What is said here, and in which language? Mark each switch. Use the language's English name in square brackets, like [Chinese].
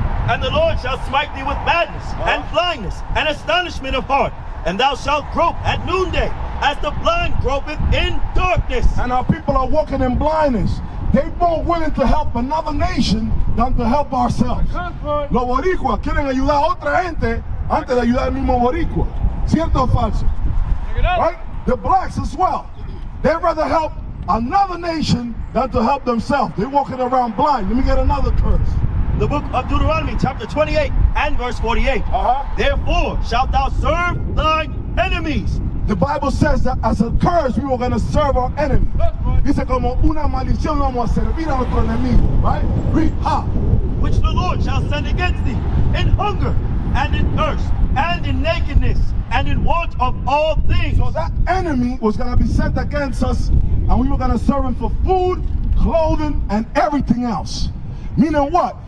[English] And the Lord shall smite thee with madness and blindness and astonishment of heart. And thou shalt grope at noonday as the blind gropeth in darkness. And our people are walking in blindness. They more willing to help another nation than to help ourselves. [Spanish] Los boricuas quieren ayudar a otra gente antes de ayudar al mismo boricua. ¿Cierto o falso? [English] Right? The blacks as well. They'd rather help another nation than to help themselves. They're walking around blind. Let me get another curse. The book of Deuteronomy, chapter 28 and verse 48. Uh-huh. Therefore shalt thou serve thine enemies. The Bible says that as a curse, we were going to serve our enemy. [Spanish] Dice como una maldición, vamos a servir a nuestro enemigo. [English] Right? Read. Ha. Which the Lord shall send against thee in hunger and in thirst and in nakedness and in want of all things. So that enemy was going to be sent against us, and we were going to serve him for food, clothing, and everything else. Meaning what?